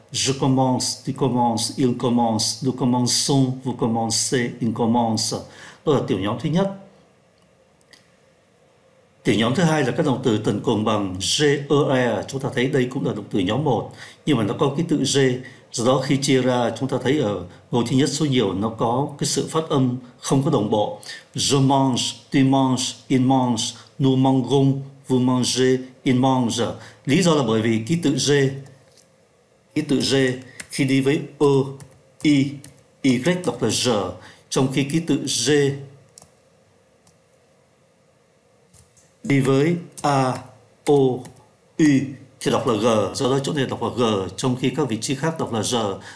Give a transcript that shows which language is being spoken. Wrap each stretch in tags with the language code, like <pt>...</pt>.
<fr>Je commence, tu commences, il commence, nous commençons, vous commencez, il commence.</fr> <vi>Đó là tiểu nhóm thứ nhất. Tiểu nhóm thứ hai là các động từ tần cùng bằng G, E, E. Chúng ta thấy đây cũng là động từ nhóm 1, nhưng mà nó có cái tự G. Do đó khi chia ra, chúng ta thấy ở ngôi thứ nhất số nhiều nó có cái sự phát âm không có đồng bộ.</vi> <fr>Je mange, tu manges, il mange, nous mangeons, vous mangez, il mange.</fr> <vi>Lý do là bởi vì ký tự G khi đi với E, I, Y đọc là J, trong khi ký tự G đi với A, O, U thì đọc là G, do đó chỗ này đọc là G, trong khi các vị trí khác đọc là J.</vi>